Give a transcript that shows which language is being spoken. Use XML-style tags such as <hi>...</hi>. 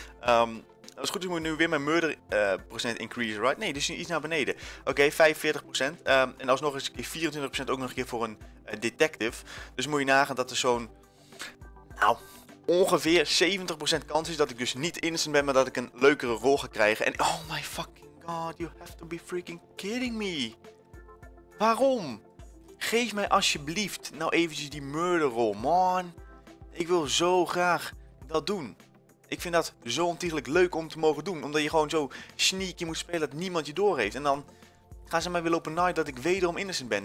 <nl>Als het goed is, moet ik nu weer mijn murder procent increase, right? Nee, dus iets naar beneden. Oké, 45%. En alsnog eens 24% ook nog een keer voor een detective. Dus moet je nagaan dat er zo'n... Nou, ongeveer 70% kans is dat ik dus niet innocent ben, maar dat ik een leukere rol ga krijgen.</nl> <en>En oh my fucking god, you have to be freaking kidding me.</en> <nl>Waarom? Geef mij alsjeblieft nou eventjes die murderrol, man. Ik wil zo graag dat doen. Ik vind dat zo ontiegelijk leuk om te mogen doen. Omdat je gewoon zo sneaky moet spelen dat niemand je doorheeft. En dan gaan ze mij weer lopen naaien dat ik wederom innocent ben.</nl>